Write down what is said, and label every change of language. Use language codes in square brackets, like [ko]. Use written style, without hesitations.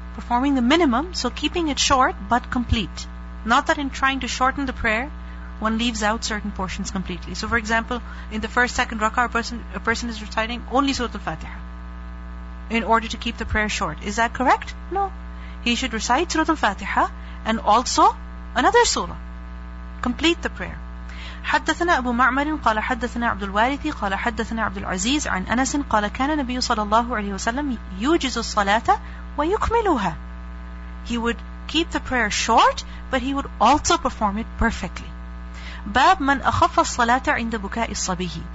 [en] Performing the minimum, so keeping it short but complete. Not that in trying to shorten the prayer one leaves out certain portions completely. So for example, in the first, second rakah, a person is reciting only Surah Al-Fatiha in order to keep the prayer short. Is that correct? No. He should recite Surah Al-Fatiha and also another surah. Complete the prayer. [ar] حدثنا أبو معمر قال حدثنا عبد الوارث قال حدثنا عبد العزيز عن أنس قال كان النبي صلى الله عليه وسلم يوجز الصلاة ويكملها. [en] He would keep the prayer short, but he would also perform it perfectly. [ar] باب من أخف الصلاة عند بكاء الصبي.